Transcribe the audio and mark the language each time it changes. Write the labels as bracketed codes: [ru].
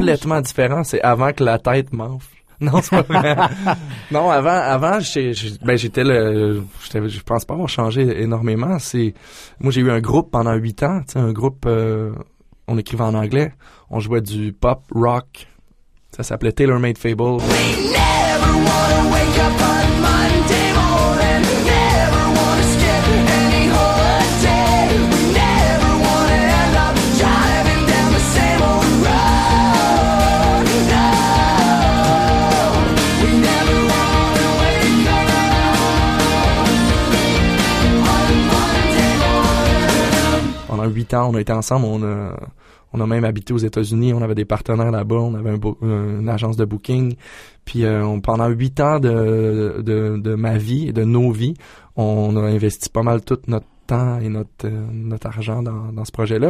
[fr] Complètement différent, c'est avant que la tête m'enfle. Non, c'est pas vrai. Non, avant je pense pas avoir changé énormément. Moi, j'ai eu un groupe pendant 8 ans, t'sais, un groupe... On écrivait en anglais, on jouait du pop rock. Ça s'appelait Taylor Made Fable. [en] We never wanna wake up on Monday morning. Never wanna skip any holiday. We never wanna end up driving down the same old road. No. We never wanna wake up on Monday. [fr] pendant 8 ans, on a été ensemble, on a même habité aux États-Unis, on avait des partenaires là-bas, on avait une agence de booking. Puis pendant 8 ans de ma vie et de nos vies, on a investi pas mal tout notre temps et notre argent dans ce projet-là.